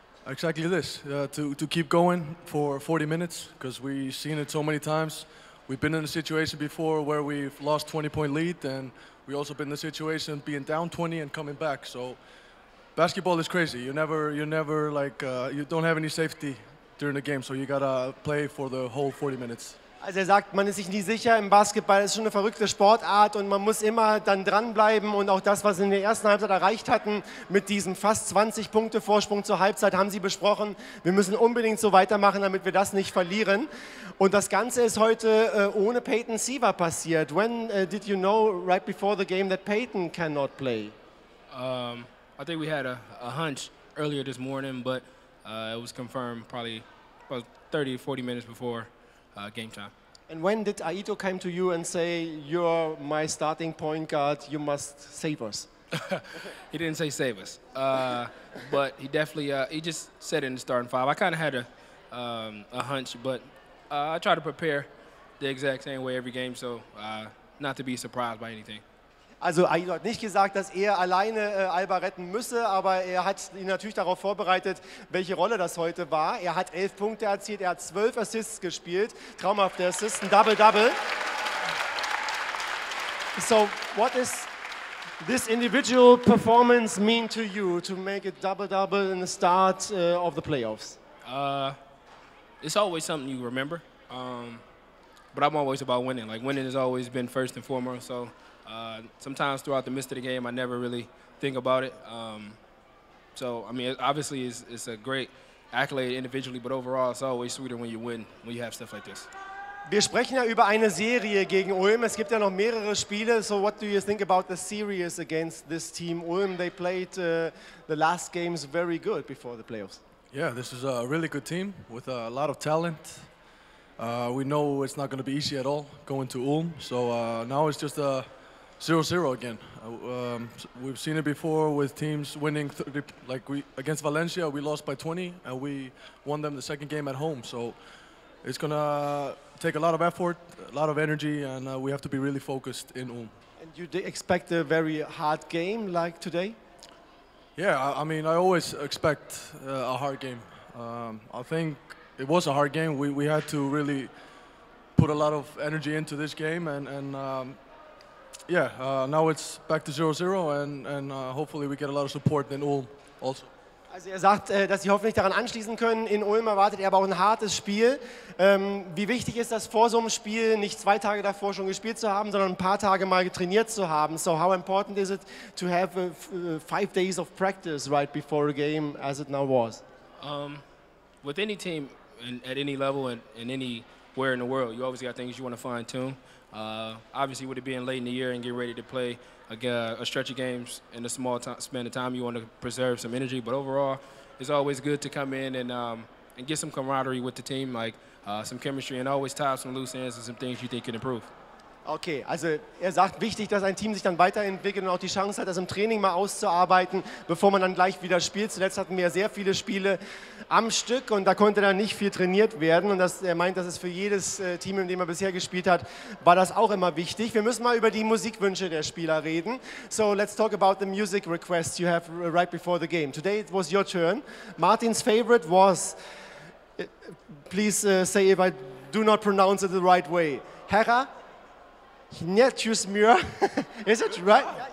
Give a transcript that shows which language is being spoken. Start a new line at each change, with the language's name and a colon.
English: Exactly this, to keep going for 40 minutes, because we've seen it so many times. We've been in a situation before where we've lost 20-point lead, and we've also been in the situation being down 20 and coming back. So basketball is crazy. You don't have any safety during the game, so you gotta play for the whole 40 minutes.
German: Also er sagt, man ist sich nie sicher im Basketball. Es ist schon eine verrückte Sportart und man muss immer dann dranbleiben. Und auch das, was Sie in der ersten Halbzeit erreicht hatten, mit diesem fast 20 Punkte Vorsprung zur Halbzeit, haben Sie besprochen. Wir müssen unbedingt so weitermachen, damit wir das nicht verlieren. Und das Ganze ist heute ohne Peyton Siva passiert.
English: When did you know right before the game that Peyton cannot play? I think we had a hunch earlier this morning, but it was confirmed probably about 30, 40 minutes before. Game time. And when did Aito come to you and say, you're my starting point guard, you must save us? He didn't say save us, but he definitely, he just said it in the starting five. I kind of had a hunch, but I try to prepare the exact same way every game, so not to be surprised by anything.
German: Also Aito hat nicht gesagt, dass er alleine Alba retten müsse, aber er hat ihn natürlich darauf vorbereitet, welche Rolle das heute war. Er hat 11 Punkte erzielt, er hat 12 Assists gespielt. Traumhafte Assists, ein Double-Double.
English: So, what is this individual performance mean to you, to make a Double-Double in the start of the playoffs? It's always something you remember, but I'm always about winning. Like, winning has always been first and foremost, so... sometimes throughout the midst of the game, I never really think about it. So, I mean, it obviously it's a great accolade individually, but overall, it's always sweeter when you win, when you have stuff like this.
German: Wir sprechen ja über eine Serie gegen Ulm. Es gibt ja noch mehrere Spiele.
English: So, what do you think about the series against this team, Ulm? They played the last games very good before the playoffs. Yeah, this is a really good team with a lot of talent. We know it's not going to be easy at all going to Ulm. So, now it's just a 0-0 again. We've seen it before with teams winning 30, like we against Valencia, we lost by 20 and we won them the second game at home. So it's gonna take a lot of effort, a lot of energy, and we have to be really focused in Ulm. And you expect a very hard game like today? Yeah, I mean, I always expect a hard game. I think it was a hard game. We had to really put a lot of energy into this game and yeah, now it's back to 0-0 and hopefully we get a lot of support in Ulm also.
German: Also er sagt, dass sie hoffentlich daran anschließen können. In Ulm erwartet er aber auch ein hartes Spiel. Wie wichtig ist das vor so einem Spiel, nicht zwei Tage davor schon gespielt zu haben, sondern ein paar Tage mal getrainiert zu haben?
English: So how important is it to have five days of practice right before a game as it now was? With any team at any level and anywhere in the world, you always got things you want to fine-tune. Obviously, with it being late in the year and getting ready to play a stretch of games in a small span of time, you want to preserve some energy. But overall, it's always good to come in and get some camaraderie with the team, like some chemistry, and always tie up some loose ends and some things you think can improve.
German: Okay, also sagt, wichtig, dass ein Team sich dann weiterentwickelt und auch die Chance hat, das im Training mal auszuarbeiten, bevor man dann gleich wieder spielt. Zuletzt hatten wir sehr viele Spiele am Stück und da konnte dann nicht viel trainiert werden. Und er meint, das ist für jedes Team, in dem er bisher gespielt hat, war das auch immer wichtig. Wir müssen mal über die Musikwünsche der Spieler reden.
English: So let's talk about the music requests you have right before the game. Today it was your turn. Martin's favorite was, please say if I do not pronounce it the right way, Herra. Hnetusmir, is it right?